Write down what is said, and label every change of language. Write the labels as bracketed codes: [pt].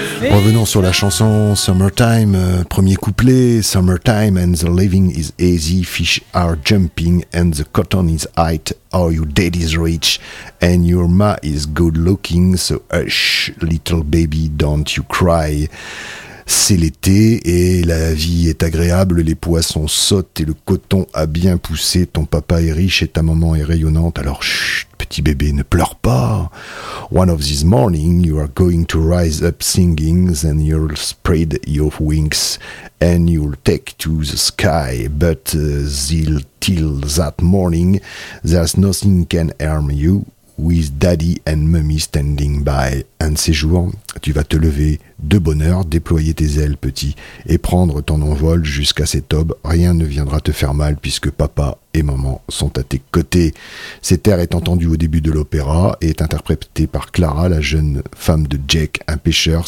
[fr] Revenons sur la chanson Summertime, premier couplet. [en] Summertime and the living is easy, fish are jumping and the cotton is high, or your daddy's rich and your ma is good looking, so hush little baby don't you cry. [fr] C'est l'été et la vie est agréable, les poissons sautent et le coton a bien poussé, ton papa est riche et ta maman est rayonnante, alors chut, petit bébé, ne pleure pas. [en] One of these mornings, you are going to rise up singing, then you'll spread your wings and you'll take to the sky. But till that morning, there's nothing can harm you, with daddy and mummy standing by. [fr] Un de ces jours, tu vas te lever de bonne heure, déployer tes ailes, petit, et prendre ton envol jusqu'à cette aube. Rien ne viendra te faire mal puisque papa et maman sont à tes côtés. Cet air est entendu au début de l'opéra et est interprété par Clara, la jeune femme de Jack, un pêcheur.